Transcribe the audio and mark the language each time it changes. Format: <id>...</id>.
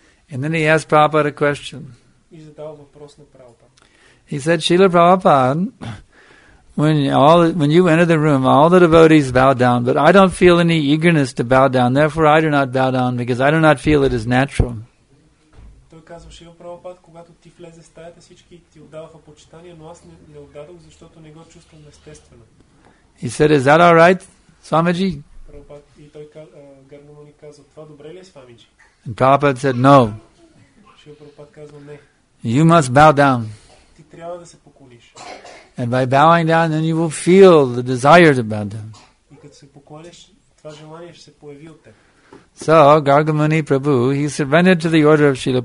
<en>And then he asked Prabhupada a question. He said, Srila Prabhupada, when you enter the room, all the devotees bow down, but I don't feel any eagerness to bow down, therefore I do not bow down because I do not feel it is natural. He said, is that all right, Swamiji?</en> <bg>И той Гарна Муни казва, това добре ли е, Свамиджи?</bg> <en>And Prabhupada said, no.</en> <bg>Шрила Прабхупада казва, не.</bg> <en>You must bow down.</en> <bg>Ти трябва да се поклониш.</bg> <en>And by bowing down, then you will feel the desire to bow down.</en> <bg>И като се поклониш, това желание ще се появи от теб.</bg> <en>So, Gargamuni Prabhu, he surrendered to the order of Srila</en>